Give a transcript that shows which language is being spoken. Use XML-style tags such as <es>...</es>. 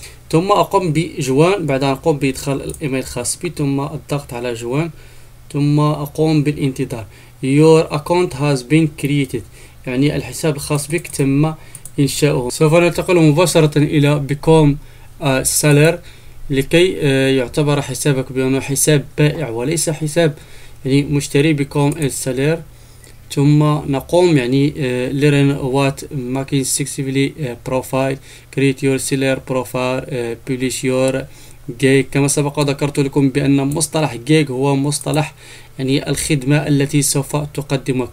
<ar>ثم أقوم بجوان، بعد أن أقوم بإدخال الإيميل الخاص بي ثم الضغط على جوان، ثم أقوم بالانتظار.</ar> <en>Your account has been created،</en> <ar>يعني الحساب الخاص بك تم إنشاؤه. سوف ننتقل مباشرة إلى Become Seller لكي يعتبر حسابك بأنه حساب بائع وليس حساب يعني مشتري.</ar> <en>Become Seller،</en> <ar>ثم نقوم يعني</ar> <en>Learn what making successfully profile، create your seller profile، publish your gig.</en> <ar>كما سبق وذكرت لكم بأن مصطلح gig هو مصطلح يعني الخدمة التي سوف تقدمها.</ar>